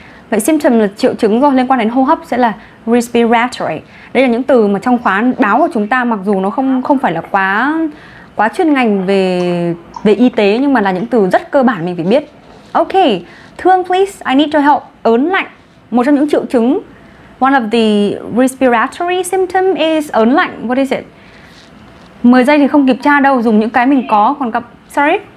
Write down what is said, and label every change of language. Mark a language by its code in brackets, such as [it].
[vi] Vậy symptom là triệu chứng rồi, liên quan đến hô hấp sẽ là respiratory. Đây là những từ mà trong khóa báo của chúng ta, mặc dù nó không phải là quá chuyên ngành về y tế, nhưng mà là những từ rất cơ bản mình phải biết. Ok, Thương, [en] please, I need to help. [vi] Ớn lạnh, một trong những triệu chứng. [en] One of the respiratory symptom is ớn lạnh. What is it? [vi] 10 giây thì không kịp tra đâu, dùng những cái mình có. Còn gặp, sorry.